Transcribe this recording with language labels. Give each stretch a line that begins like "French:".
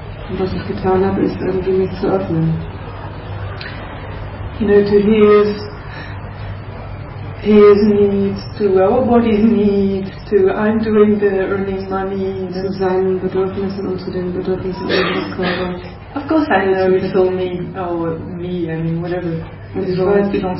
German: Und was ich getan habe, ist irgendwie mich zu öffnen.
English: You know, to his needs, to our body's needs, to I'm doing the earning money.
German: Zu seinen Bedürfnissen und zu den Bedürfnissen unseres Körpers.
English: Of course I know it's all me, whatever.